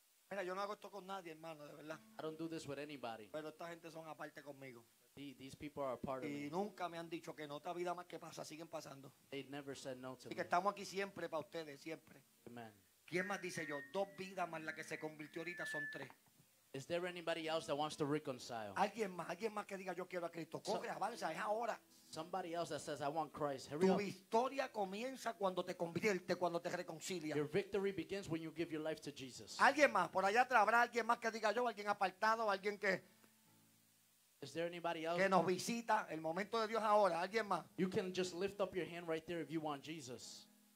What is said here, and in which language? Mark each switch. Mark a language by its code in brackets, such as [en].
[es] Mira, yo no hago esto con nadie, hermano, de verdad. [en] I don't do this with anybody. [es] Pero esta gente son aparte conmigo. [en] These people are a part of [es] y [en] me. [es] Nunca me han dicho que no, esta vida más que pasa, siguen pasando. [en] They never said no to [es] y que [en] me. [es] Estamos aquí siempre para ustedes, siempre. [en] Amen. [es] ¿Quién más dice yo? Dos vidas más la que se convirtió ahorita son tres. [en] Is there anybody else that wants to reconcile? [es] Alguien más que diga yo quiero a Cristo. Corre, avanza, es ahora. [en] Somebody else that says I want Christ. Hurry [es] tu [en] up. [es] Historia comienza cuando te conviertes, cuando te reconcilias. [en] Your victory begins when you give your life to Jesus. [es] Alguien más, por allá atrás habrá alguien más que diga yo, alguien apartado, alguien que... [en] Is there anybody else? [es] Que nos visita el momento de Dios ahora. Alguien más. [en] You can just lift up your hand right there if you want Jesus.